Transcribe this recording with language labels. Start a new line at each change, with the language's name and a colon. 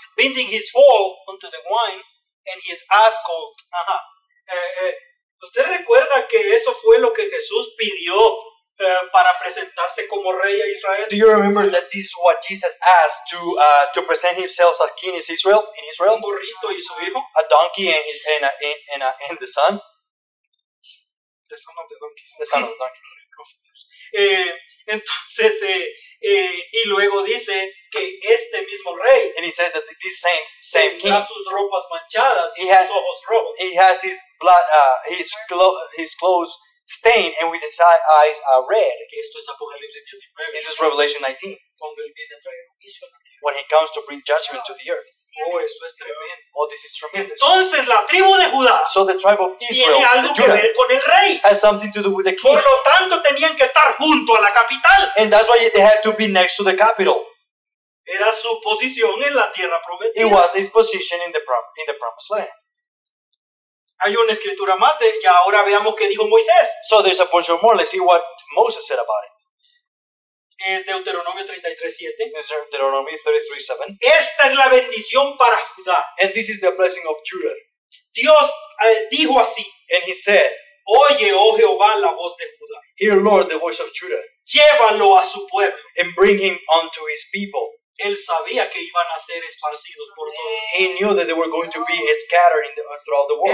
English: Bending his foal onto the wine and his ass called. Uh-huh.
Spanish: ¿Usted recuerda que eso fue lo que Jesús pidió? Para presentarse como rey a Israel.
English: Do you remember that this is what Jesus asked to present himself as king in Israel? In Israel,
Spanish: un burrito y su hijo.
English: A donkey and the son. The son of the donkey. The son of the donkey.
Spanish: Entonces, y luego dice que este mismo rey,
English: and he says that this same king,
Spanish: sus ropas manchadas,
English: he, has,
Spanish: sus ojos rojos,
English: he has his blood, his clothes stained, and with his eyes are red.
Spanish: Que esto es Apocalipsis 19.
English: This is Revelation 19.
Spanish: Cuando él viene a traer juicio a la tierra.
English: When he comes to bring judgment to the earth.
Spanish: Oh, eso es tremendo.
English: Oh, this is tremendous.
Spanish: Entonces, la tribu de Judá,
English: so the tribe of Israel,
Spanish: tiene algo que ver con el rey,
English: has something to do with the king.
Spanish: Por lo tanto, tenían que estar junto a la capital.
English: And that's why they had to be next to the capital.
Spanish: Era su posición en la tierra prometida.
English: It was his position in the promised land.
Spanish: Hay una escritura más de ella. Ahora veamos qué dijo Moisés.
English: So there's a portion more. Let's see what Moses said about it.
Spanish: Es Deuteronomio 33:7.
English: Is Deuteronomy 33:7.
Spanish: Esta es la bendición para Judá.
English: And this is the blessing of Judah.
Spanish: Dios dijo así.
English: And he said,
Spanish: oye, oh Jehová, la voz de Judá.
English: Hear, Lord, the voice of Judah.
Spanish: Llévalo a su pueblo.
English: And bring him unto his people.
Spanish: Él sabía que iban a ser esparcidos por todo.
English: He knew that they were going to be scattered in the, throughout the world.